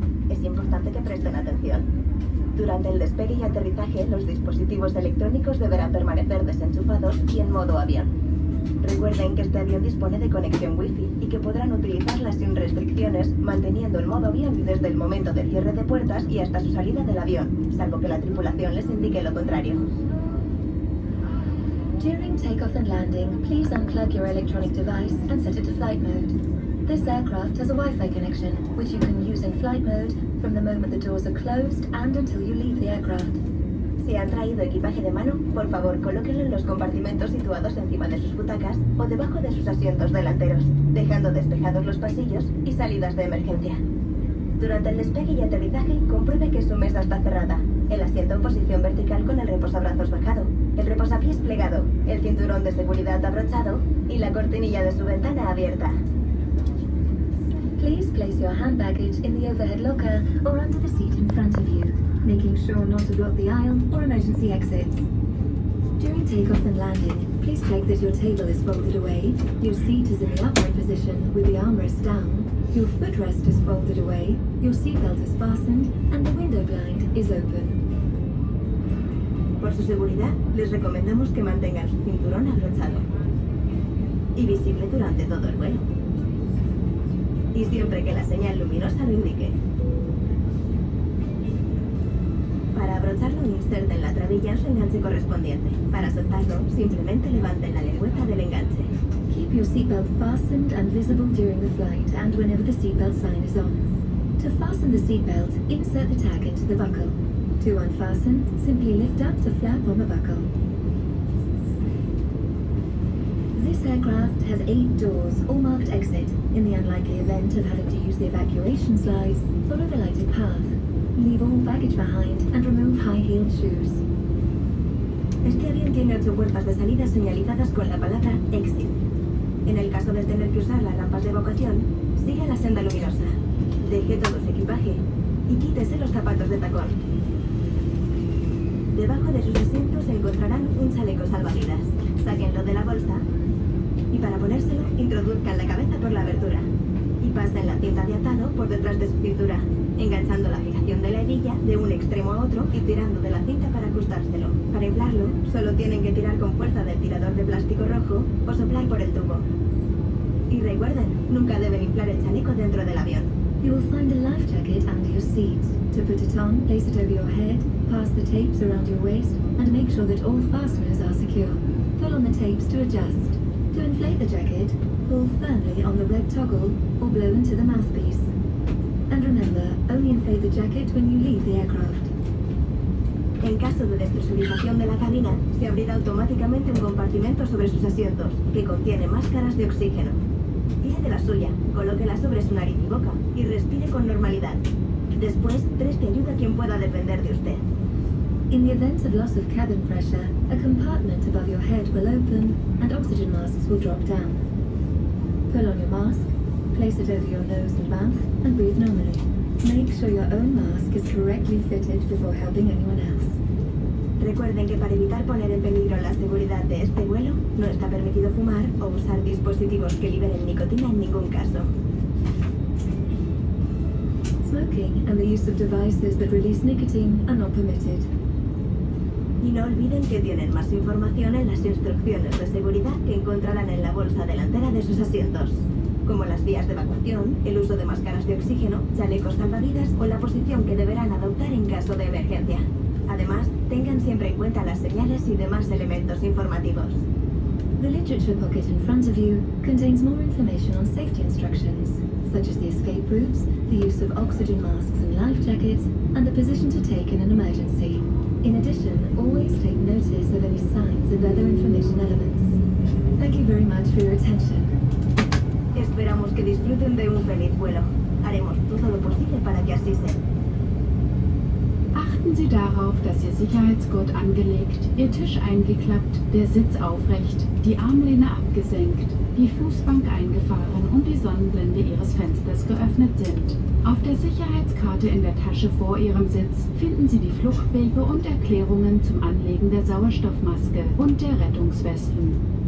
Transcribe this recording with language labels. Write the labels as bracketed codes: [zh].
[es] Es importante que presten atención. Durante el despegue y aterrizaje, los dispositivos electrónicos deberán permanecer desenchufados y en modo avión. Recuerden que este avión dispone de conexión Wi-Fi y que podrán utilizarla sin restricciones, manteniendo el modo avión desde el momento de cierre de puertas y hasta su salida del avión, salvo que la tripulación les indique lo contrario. [en] During takeoff and landing, please unplug your electronic device and set it to flight mode. This aircraft has a Wi-Fi connection, which you can use in flight mode from the moment the doors are closed and until you leave the aircraft. [es] Si han traído equipaje de mano, por favor, colóquenlo en los compartimentos situados encima de sus butacas o debajo de sus asientos delanteros, dejando despejados los pasillos y salidas de emergencia. Durante el despegue y aterrizaje, compruebe que su mesa está cerrada, el asiento en posición vertical con el reposabrazos bajado, el reposapiés plegado, el cinturón de seguridad abrochado y la cortinilla de su ventana abierta. [en] Please place your hand baggage in the overhead locker or under the seat in front of you, making sure not to block the aisle or emergency exits. During takeoff and landing, please check that your table is folded away, your seat is in the upright position with the armrest down, your footrest is folded away, your seatbelt is fastened, and the window blind is open. [es] Por su seguridad, les recomendamos que mantengan su cinturón abrochado y visible durante todo el vuelo. Y siempre que la señal luminosa lo indique. Para abrocharlo, inserten la trabilla en su enganche correspondiente. Para soltarlo, simplemente levanten la lengüeta del enganche. [en] Keep your seatbelt fastened and visible during the flight and whenever the seatbelt sign is on. To fasten the seatbelt, insert the tag into the buckle. To unfasten, simply lift up the flap on the buckle. This aircraft has 8 doors, all marked exit. In the unlikely event of having to use the evacuation slides, follow the lighted path. Leave all baggage behind and remove high-heeled shoes. [es] Este avión tiene 8 puertas de salida señalizadas con la palabra exit. En el caso de tener que usar las rampas de evacuación, siga la senda luminosa. Deje todo su equipaje y quítese los zapatos de tacón. Debajo de sus asientos encontrarán un chaleco salvavidas. Sáquenlo de la bolsa. Y para ponérselo, introduzcan la cabeza por la abertura y pasen la cinta de atado por detrás de su cintura, enganchando la fijación. posición de la hebilla de un extremo a otro y tirando de la cinta para ajustárselo. Para inflarlo, solo tienen que tirar con fuerza del tirador de plástico rojo o soplar por el tubo. Y recuerden, nunca deben inflar el chaleco dentro del avión. [en] You will find a life jacket under your seat. To put it on, place it over your head, pass the tapes around your waist, and make sure that all fasteners are secure. Pull on the tapes to adjust. To inflate the jacket, pull firmly on the red toggle or blow into the mouthpiece. And remember, only inflate the jacket when you leave the aircraft. [es] En caso de despresurización de la cabina, se abrirá automáticamente un compartimento sobre sus asientos, que contiene máscaras de oxígeno. Tírate la suya, colóquela sobre su nariz y boca y respire con normalidad. Después, preste ayuda a quien pueda depender de usted. [en] In the event of loss of cabin pressure, a compartment above your head will open and oxygen masks will drop down. Pull on your mask, place it over your nose and mouth, and breathe normally. Make sure your own mask is correctly fitted before helping anyone else. [es] Recuerden que para evitar poner en peligro la seguridad de este vuelo, no está permitido fumar o usar dispositivos que liberen nicotina en ningún caso. [en] Smoking and the use of devices that release nicotine are not permitted. [es] Y no olviden que tienen más información en las instrucciones de seguridad que encontrarán en la bolsa delantera de sus asientos, como las vías de evacuación, el uso de máscaras de oxígeno, chalecos salvavidas o la posición que deberán adoptar en caso de emergencia. Además, tengan siempre en cuenta las señales y demás elementos informativos. [en] The literature pocket in front of you contains more information on safety instructions, such as the escape routes, the use of oxygen masks and life jackets, and the position to take in an emergency. In addition, always take notice of any signs and other information elements. Thank you very much for your attention. [es] Esperamos que disfruten de un feliz vuelo. Haremos todo lo posible para que así sea. [de] Achten Sie darauf, dass Ihr Sicherheitsgurt angelegt, Ihr Tisch eingeklappt, der Sitz aufrecht, die Armlehne abgesenkt, die Fußbank eingefahren und die Sonnenblende Ihres Fensters geöffnet sind. Auf der Sicherheitskarte in der Tasche vor Ihrem Sitz finden Sie die Fluchtwege und Erklärungen zum Anlegen der Sauerstoffmaske und der Rettungswesten.